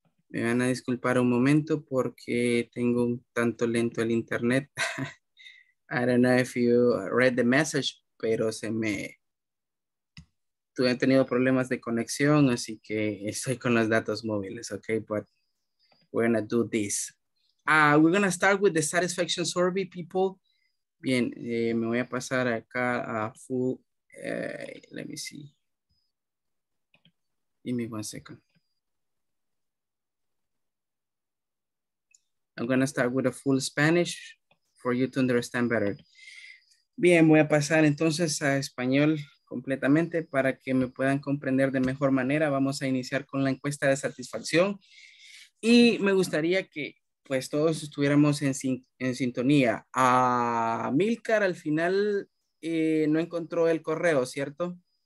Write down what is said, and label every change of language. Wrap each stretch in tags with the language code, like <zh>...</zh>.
<es>Me van a disculpar un momento porque tengo un tanto lento el internet.</es> <en>I don't know if you read the message,</en> <es>pero se me... Tuve tenido problemas de conexión, así que estoy con los datos móviles, okay?</es> <en>But we're gonna do this. We're gonna start with the satisfaction survey, people.</en> <es>Bien, me voy a pasar acá a full.</es> <en>Let me see. Give me 1 second. I'm gonna start with a full Spanish for you to understand better.</en> <es>Bien, voy a pasar entonces a español completamente para que me puedan comprender de mejor manera. Vamos a iniciar con la encuesta de satisfacción y me gustaría que pues todos estuviéramos en sintonía. A Milcar al final no encontró el correo, ¿cierto?</es>